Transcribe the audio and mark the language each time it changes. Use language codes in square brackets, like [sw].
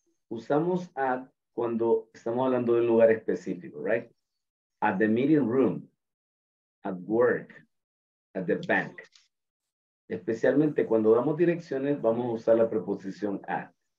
[es] Usamos at cuando estamos hablando de un lugar específico, right? [en] At the meeting room, at work, at the bank. [es] Especialmente cuando damos direcciones, vamos a usar la preposición at.